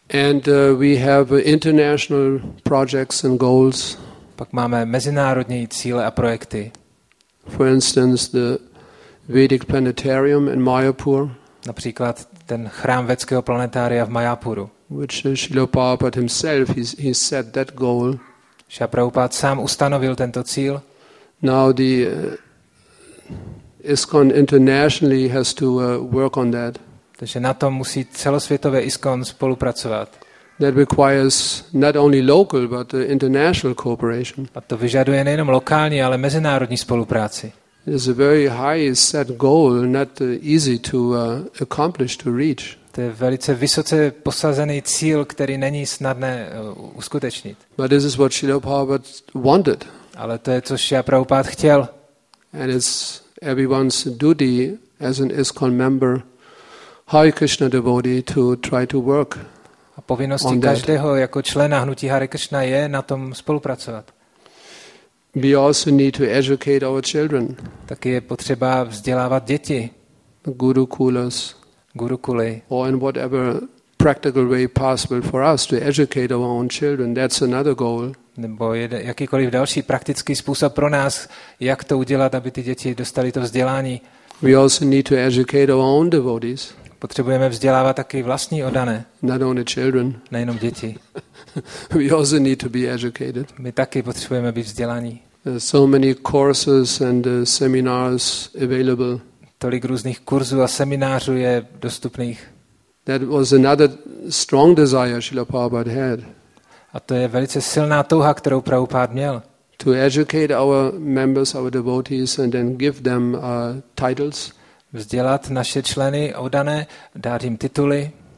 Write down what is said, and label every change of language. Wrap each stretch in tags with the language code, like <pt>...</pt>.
<en>And we have international projects and goals.</en> <cs>Pak máme mezinárodní cíle a projekty.</cs> <en>For instance, the Vedic Planetarium in Mayapur.</en> <cs>Například ten chrám vedského planetária v Mayapuru.</cs> <en>Which Srila Prabhupada himself he set that goal.</en> <cs>Srila Prabhupada sám ustanovil tento cíl.</cs> <en>Now the ISKCON internationally has to work on that.</en> <cs>Takže na tom musí celosvětové ISKCON spolupracovat.</cs> <en>That requires not only local, but international cooperation.</en> <cs>A to vyžaduje nejenom lokální, ale mezinárodní spolupráci.</cs> <en>It's a very high set goal, not easy to accomplish, to reach.</en> <cs>To je velice vysoce posazený cíl, který není snadné uskutečnit.</cs> <en>But this is what Srila Prabhupada wanted.</en> <cs>Ale to je, co Srila Prabhupada chtěl.</cs> <en>And it's everyone's duty as an ISKCON member, Hare Krishna devotee, to try to work.</en> <cs>A povinností každého jako člena hnutí Hare Krishna je na tom spolupracovat.</cs> <en>We also need to educate our children.</en> <cs>Taky je potřeba vzdělávat děti.</cs> <en>Gurukulas.</en> <cs>Gurukuly.</cs> <en>Or in whatever practical way possible for us to educate our own children. That's another goal.</en> <cs>Nebo jakýkoliv další praktický způsob pro nás, jak to udělat, aby ty děti dostali to vzdělání.</cs> <en>We also need to educate our own devotees.</en> <cs>Potřebujeme vzdělávat taky vlastní oddané.</cs> <en>Not only children.</en> <cs>Nejenom děti.</cs> <en>We also need to be educated.</en> <cs>My taky potřebujeme být vzdělaní.</cs> <en>So many courses and seminars available.</en> <cs>Tolik různých kurzů a seminářů je dostupných.</cs> <en>That was another strong desire Srila Prabhupada had.</en> <cs>A to je velice silná touha, kterou Prabhupada měl.</cs> <en>To educate our members, our devotees, and then give them titles.</en> <cs>Vzdělat naše členy oddané, dát jim tituly.</cs>